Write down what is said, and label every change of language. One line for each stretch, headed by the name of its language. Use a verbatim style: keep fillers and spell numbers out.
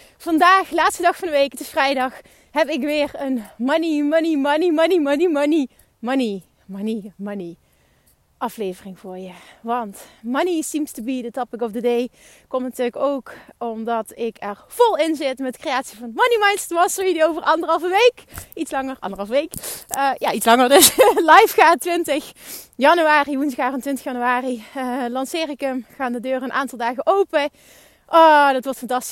Dutch: Vandaag, laatste dag van de week, het is vrijdag, heb ik weer een money, money, money, money, money, money, money, money, money. aflevering voor je. Want
English: money seems to be the topic of the day.
Dutch: Komt natuurlijk ook omdat ik er vol in zit met de creatie van Money Minds Mastery, die over anderhalve week, iets langer, anderhalve week, uh, ja iets langer dus, live gaat twintig januari, woensdag en twintig januari, uh, lanceer ik hem. Gaan de deuren een aantal dagen open. Oh, dat wordt fantastisch.